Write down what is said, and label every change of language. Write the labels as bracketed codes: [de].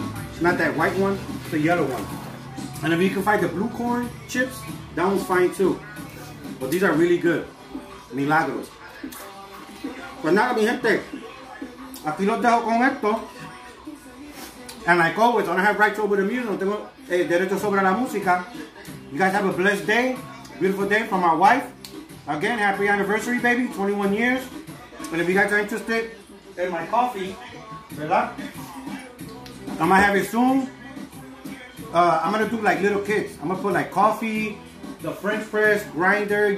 [en] It's not that white one, it's the yellow one. And if you can find the blue corn chips, that one's fine too. But these are really good. Milagros. [es] Pues nada, mi gente. Aquí los dejo con esto. [en] And like always, I don't have rights over the music. [es] No tengo derecho sobre la música. [en] You guys have a blessed day. Beautiful day from my wife. Again, happy anniversary, baby. 21 years. And if you guys are interested in my coffee, ¿verdad? I'm going to have it soon. I'm going to do like little kits. I'm going to put like coffee, the French press, grinder.